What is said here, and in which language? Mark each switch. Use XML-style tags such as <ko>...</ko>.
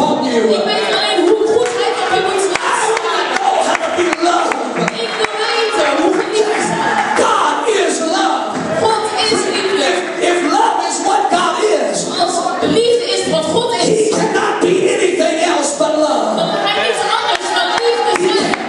<nl>Ik weet alleen hoe goedheid op je moet zijn.</nl> <en>I want to know how to be loved.</en> <nl>Ik wil weten hoe geliefd ik ben.</nl> <en>God is love.</en> <nl>God is liefde.</nl> <en>If love is what God is.</en> <nl>Als liefde is wat God is.</nl> <en>He cannot be anything else but love.</en> <nl>Want hij is anders dan liefde zijn.</nl>